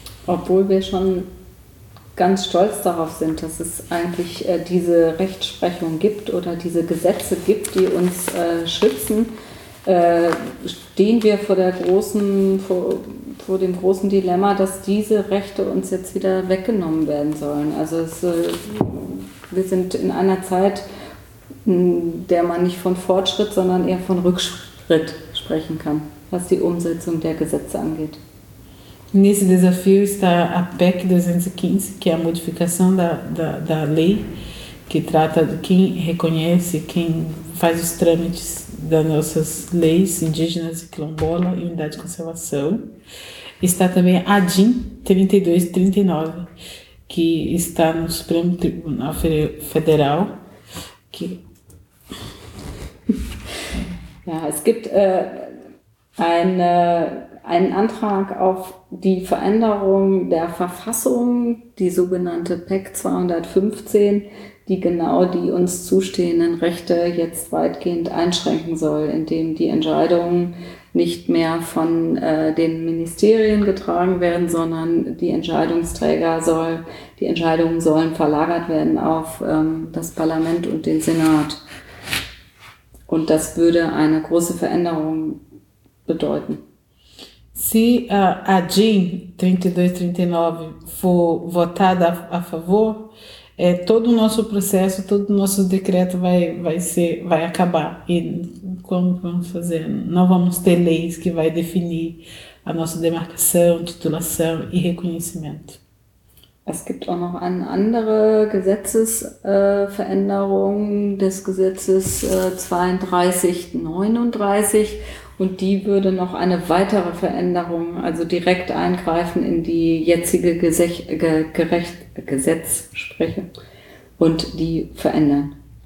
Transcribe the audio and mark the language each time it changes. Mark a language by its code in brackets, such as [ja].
[de] obwohl wir schon ganz stolz darauf sind, dass es eigentlich diese Rechtsprechung gibt oder diese Gesetze gibt, die uns schützen, stehen wir vor dem großen Dilemma, dass diese Rechte uns jetzt wieder weggenommen werden sollen. Also wir sind in einer Zeit, in der man nicht von Fortschritt, sondern eher von Rückschritt sprechen kann, was die Umsetzung der Gesetze angeht. [pt] Nesse desafio está a PEC 215, que é a modificação da lei que trata de quem reconhece, quem faz os trâmites das nossas leis indígenas e quilombola e unidade de conservação. Está também a ADIM 3239, que está no Supremo Tribunal Federal. Que... [de] Es gibt einen Antrag auf die Veränderung der Verfassung, die sogenannte PEC 215, die genau die uns zustehenden Rechte jetzt weitgehend einschränken soll, indem die Entscheidungen nicht mehr von den Ministerien getragen werden, sondern die Entscheidungsträger sollen verlagert werden auf das Parlament und den Senat. Und das würde eine große Veränderung bedeuten. [pt] Se a ADIM 3239 for votada a favor, todo o nosso processo, todo o nosso decreto vai acabar. E como vamos fazer? Não vamos ter leis que vai definir a nossa demarcação, titulação e reconhecimento. [de] Es gibt auch noch eine andere Gesetzesveränderung des Gesetzes 3239 und die würde noch eine weitere Veränderung, also direkt eingreifen in die jetzige Gesetzessprechung und die verändern.